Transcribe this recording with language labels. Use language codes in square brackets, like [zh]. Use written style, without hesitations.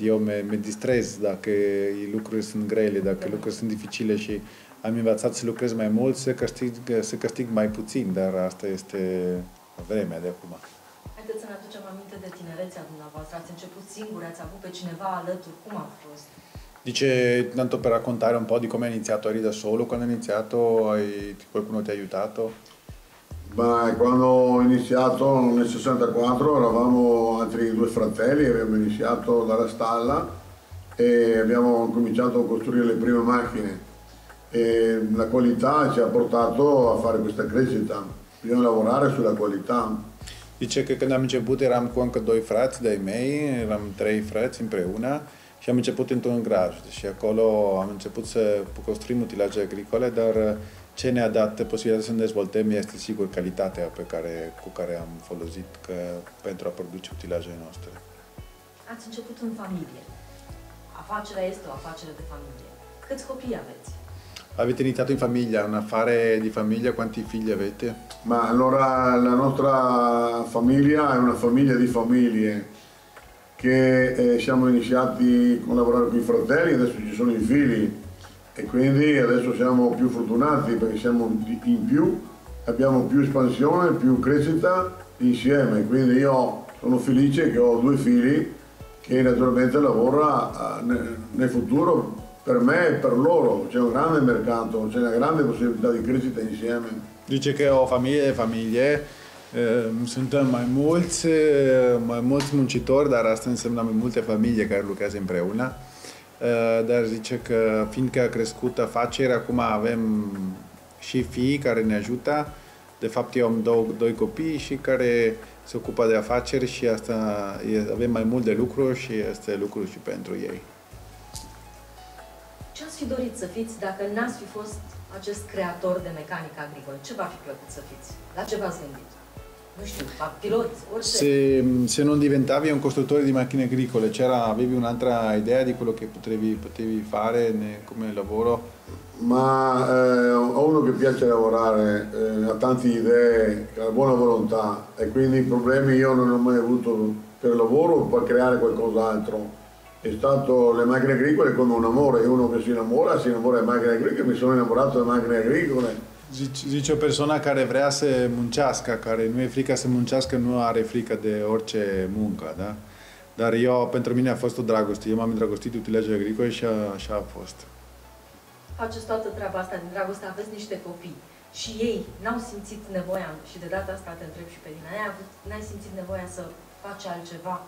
[ro] Eu mă distrez dacă lucrurile sunt grele, dacă lucrurile sunt dificile și am învățat să lucrez mai mult, să castig mai puțin, dar asta este vremea de acum. Haideți să ne aducem aminte de tinerețea dumneavoastră. Ați început singur, ați avut pe cineva alături. Cum a fost? [it] Dice, tanto per raccontare un po' di come hai iniziato, eri da solo quando hai iniziato, qualcuno ti ha aiutato? Beh, quando ho iniziato nel 64 eravamo altri due fratelli, abbiamo iniziato dalla stalla e abbiamo cominciato a costruire le prime macchine e la qualità ci ha portato a fare questa crescita, bisogna lavorare sulla qualità. Dice che quando abbiamo iniziato eravamo con anche due frati dai miei, eravamo tre frati [ro] impreuna și am început într-un graj și acolo am început să construim utilaje agricole, dar ce ne-a dat posibilitatea să ne dezvoltăm este sigur calitatea cu care am folosit pentru a produce utilajele noastre. Ați început în familie. Afacerea este o afacere de familie. Câți copii aveți? [it] Avete iniziato in famiglia, un affare di famiglia, quanti figli avete? Ma allora la nostra famiglia è una famiglia di famiglie. Che siamo iniziati a collaborare con i fratelli, adesso ci sono i figli e quindi adesso siamo più fortunati perché siamo in più, abbiamo più espansione, più crescita insieme, quindi io sono felice che ho due figli che naturalmente lavora nel futuro per me e per loro. C'è un grande mercato, c'è una grande possibilità di crescita insieme. Dice che ho famiglie, [ro] suntem mai mulți muncitori, dar asta înseamnă mai multe familie care lucrează împreună. Dar zice că fiindcă a crescut afacerea, acum avem și fii care ne ajută. De fapt, eu am doi copii și care se ocupă de afaceri și asta avem mai mult de lucru și este lucru și pentru ei. Ce ați fi dorit să fiți dacă n-ați fi fost acest creator de mecanică agricolă? Ce v-a fi plăcut să fiți? La ce v-ați gândit? Nu știu, fac pilot, orice. [it] Se non diventavi un costruttore di macchine agricole, c'era avevi un'altra idea di quello che potevi fare come lavoro? Ma a uno che piace lavorare, ha tante idee, ha buona volontà e quindi problemi io non ho mai avuto per lavoro o per creare qualcos'altro. È stato le macchine agricole come un amore, uno che si innamora di macchine agricole, mi sono innamorato di macchine agricole. [ro] Zice o persoană care vrea să muncească, care nu e frică să muncească, nu are frică de orice muncă, da? Dar eu, pentru mine a fost o dragoste. Eu m-am îndrăgostit de utilaje agricole și așa a fost. Faceți toată treaba asta din dragoste, aveți niște copii și ei n-au simțit nevoia, și de data asta te întreb și pe tine, n-ai simțit nevoia să faci altceva.